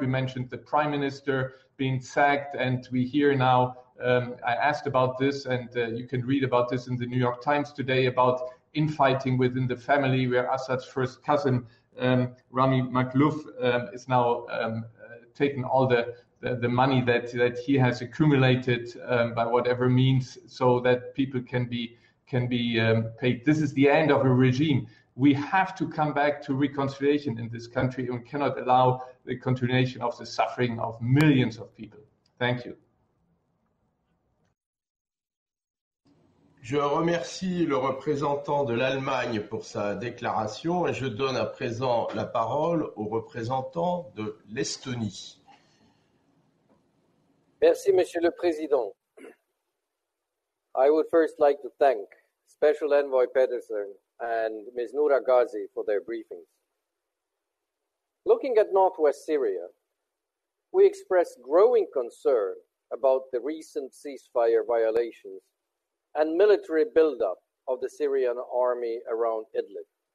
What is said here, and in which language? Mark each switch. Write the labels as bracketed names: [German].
[English] We mentioned the prime minister being sacked, and we hear now, I asked about this, and you can read about this in the New York Times today, about infighting within the family, where Assad's first cousin, Rami Makhlouf, is now taking all the money that he has accumulated by whatever means, so that people can be paid. This is the end of a regime. We have to come back to reconciliation in this country, and we cannot allow the continuation of the suffering of millions of people. Thank you. [French] Je remercie le représentant de l'Allemagne pour sa déclaration et je donne à présent la parole au représentant de l'Estonie. Merci, Monsieur le Président. [English] I would first like to thank Special Envoy Pedersen and Ms. Noura Ghazi for their briefings. Looking at northwest Syria, we express growing concern about the recent ceasefire violations and military buildup of the Syrian army around Idlib.